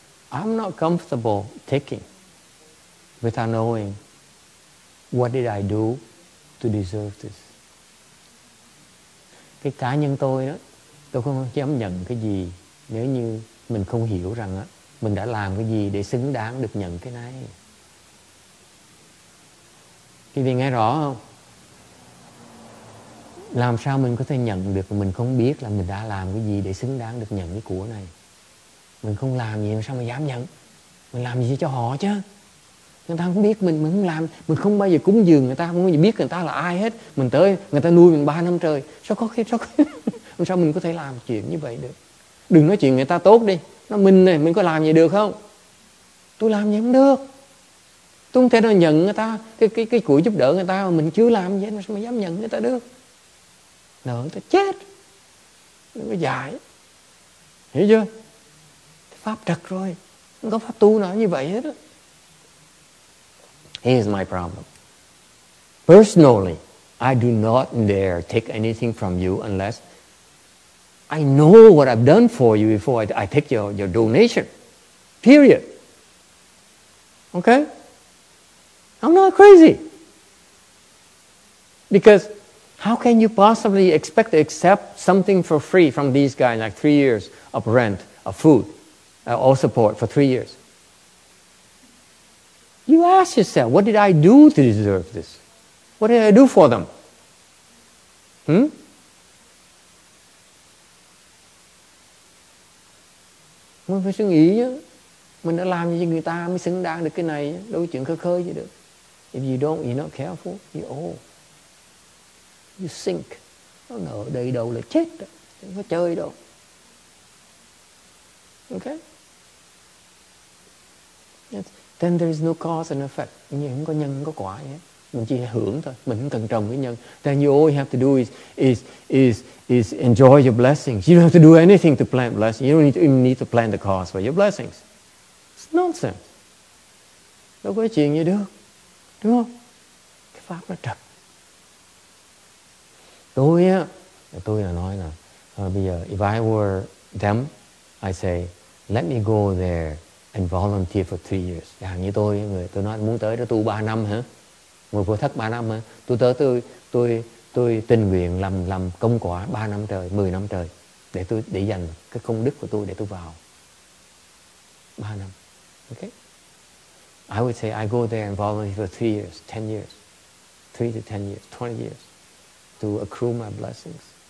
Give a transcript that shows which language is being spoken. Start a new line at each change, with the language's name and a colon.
English: I'm not comfortable taking without knowing what did I do to deserve this.
Vietnamese: Cái cá nhân tôi đó, tôi không dám nhận cái gì nếu như mình không hiểu rằng đó, mình đã làm cái gì để xứng đáng được nhận cái này. Quý vị nghe rõ không? Làm sao mình có thể nhận được mà mình không biết là mình đã làm cái gì để xứng đáng được nhận cái của này. Mình không làm gì mà sao mà dám nhận? Mình làm gì cho họ chứ? Người ta không biết mình không làm, mình không bao giờ cúng dường người ta, không bao giờ biết người ta là ai hết. Mình tới, người ta nuôi mình 3 năm trời. Sao sao mình có thể làm chuyện như vậy được? Đừng nói chuyện người ta tốt đi. Nói mình này, mình có làm gì được không? Tôi làm gì không được. Tôi không thể nào nhận người ta cái của giúp đỡ người ta mà mình chưa làm gì hết. Sao mà dám nhận người ta được? Nợ ta chết. Nó có dài. Hiểu chưa? Pháp trật rồi. Không có pháp tu nào như vậy hết.
English: Here's my problem. Personally, I do not dare take anything from you unless I know what I've done for you before I take your donation. Period. Okay? I'm not crazy. Because how can you possibly expect to accept something for free from these guys, like 3 years of rent, of food, all support for 3 years? You ask yourself, what did I do to deserve this? What did I do for them?
Vietnamese: Mình phải suy nghĩ nhé. Mình đã làm gì cho người ta mới xứng đáng được cái này nhé. Đâu có chuyện khơi khơi gì được.
English: If you don't, you're not careful, you're old. You sink.
Vietnamese: Nó nở đầy đầu là chết đó. Không có chơi đâu.
English: Okay? Yes. Then there is no cause and effect.
Vietnamese: Mình không có nhân, không có quả nhé. Mình chỉ hưởng thôi. Mình không cần trồng cái nhân.
English: Then you all you have to do is enjoy your blessings. You don't have to do anything to plant blessings. You don't need to, even need to plant the cause for your blessings. It's nonsense.
Vietnamese: Đâu có chuyện gì được. Đúng không? Cái pháp nó trật. Tôi nói là bây giờ,
English: if I were them, I say, let me go there and volunteer for 3 years.
Vietnamese: Như tôi, người tôi nói muốn tới đó tu 3 năm hả? Người vừa thất 3 năm hả? Tôi tới tôi tình nguyện làm công quả 3 năm trời, 10 năm trời để dành cái công đức của tôi để tôi vào 3 năm.
English: Okay? I would say I go there and volunteer for 3 years, 10 years, 3 to 10 years, 20 years to accrue my blessings.